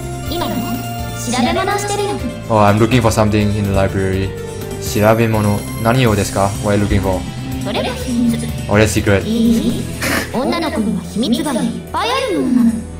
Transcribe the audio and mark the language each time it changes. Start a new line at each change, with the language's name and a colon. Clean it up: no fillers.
Japanese: 今ね、調べ物をしてるよ。
English: Oh, I'm looking for something in the library.
Japanese: 調べ物、何をですか
English: What are you looking for?
Japanese: それが秘密。
English: Oh, that's secret.
Japanese: いい女の子には秘密がいっぱいあるもんなの。